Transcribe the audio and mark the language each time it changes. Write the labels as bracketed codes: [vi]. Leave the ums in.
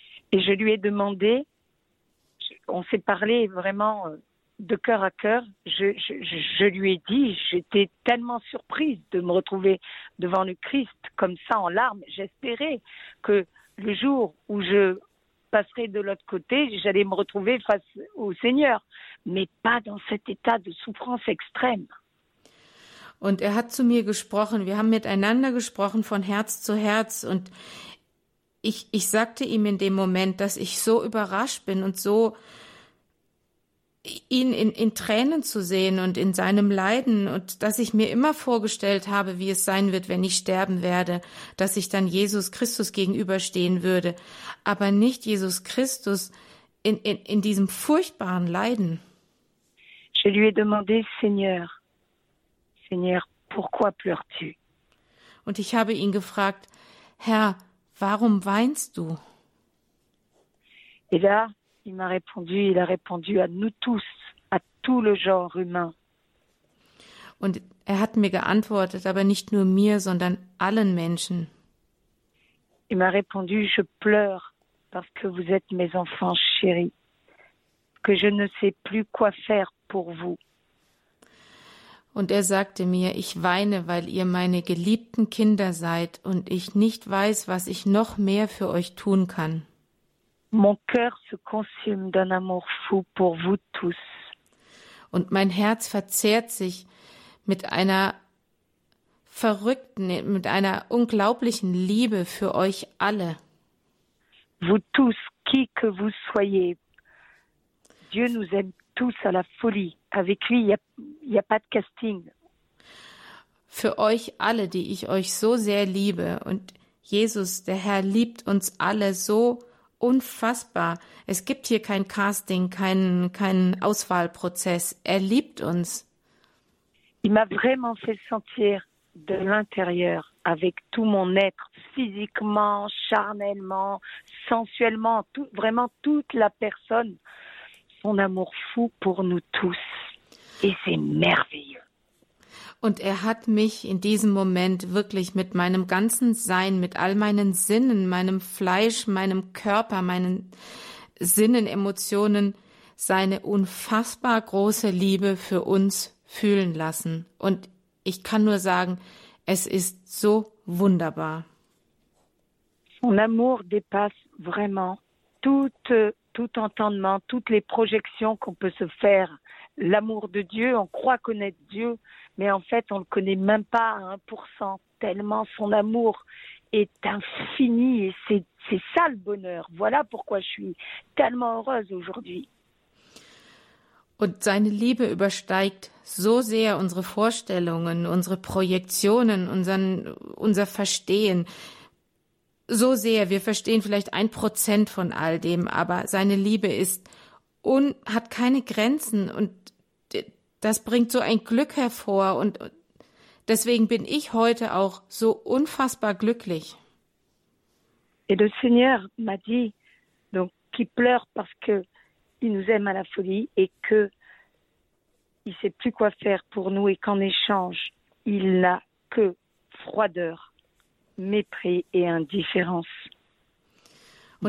[fr] Et je lui ai demandé, on s'est parlé vraiment de cœur à cœur. Je, je, je lui ai dit, j'étais tellement surprise de me retrouver devant le Christ comme ça en larmes. J'espérais que le jour où je passerai de l'autre côté, j'allais me retrouver face au Seigneur, mais pas dans cet état de souffrance extrême. [de] Und er hat zu mir gesprochen, wir haben miteinander gesprochen von Herz zu Herz und ich, ich sagte ihm in dem Moment, dass ich so überrascht bin und so ihn in, in Tränen zu sehen und in seinem Leiden und dass ich mir immer vorgestellt habe, wie es sein wird, wenn ich sterben werde, dass ich dann Jesus Christus gegenüberstehen würde, aber nicht Jesus Christus in, in, in diesem furchtbaren Leiden. [fr] Je lui ai demandé, Seigneur, Seigneur, pourquoi pleures-tu? [de] Und ich habe ihn gefragt, Herr, warum weinst du? [fr] Et là, il m'a répondu, il a répondu à nous tous, à tout le genre humain. [de] Und er hat mir geantwortet, aber nicht nur mir, sondern allen Menschen. [fr] Il m'a répondu, je pleure parce que vous êtes mes enfants chéris, que je ne sais plus quoi faire pour vous. [de] Und er sagte mir, ich weine, weil ihr meine geliebten Kinder seid und ich nicht weiß, was ich noch mehr für euch tun kann. [fr] Mon cœur se consume d'un amour fou pour vous tous. [de] Und mein Herz verzehrt sich mit einer verrückten, mit einer unglaublichen Liebe für euch alle. [fr] Vous tous, qui que vous soyez, Dieu nous aime tous à la folie. Avec lui, il n'y a, il y a pas de casting. [de] Für euch alle, die ich euch so sehr liebe. Und Jesus, der Herr, liebt uns alle so unfassbar. Es gibt hier kein Casting, keinen keinen Auswahlprozess. Er liebt uns. [fr] Il m'a vraiment fait sentir de l'intérieur, avec tout mon être, physiquement, charnellement, sensuellement, tout- vraiment toute la personne, son amour fou pour nous tous. Et c'est merveilleux. [de] Und er hat mich in diesem Moment wirklich mit meinem ganzen Sein, mit all meinen Sinnen, meinem Fleisch, meinem Körper, meinen Sinnen, Emotionen, seine unfassbar große Liebe für uns fühlen lassen. Und ich kann nur sagen, es ist so wunderbar. [fr] Son amour dépasse vraiment tout, euh, tout entendement, toutes les projections qu'on peut se faire. L'amour de Dieu, on croit connaître Dieu, mais en fait, on ne le connaît même pas à 1%, tellement son amour est infini et c'est, c'est ça le bonheur. Voilà pourquoi je suis tellement heureuse aujourd'hui. [de] Und seine Liebe übersteigt so sehr unsere Vorstellungen, unsere Projektionen, unseren, unser Verstehen. So sehr, wir verstehen vielleicht ein Prozent von all dem, aber seine Liebe ist und hat keine Grenzen und d- das bringt so ein Glück hervor und und deswegen bin ich heute auch so unfassbar glücklich. [fr] Et le Seigneur m'a dit, donc, qu'il pleure parce que il nous aime à la folie et que il sait plus quoi faire pour nous et qu'en échange, il n'a que froideur, mépris et indifférence de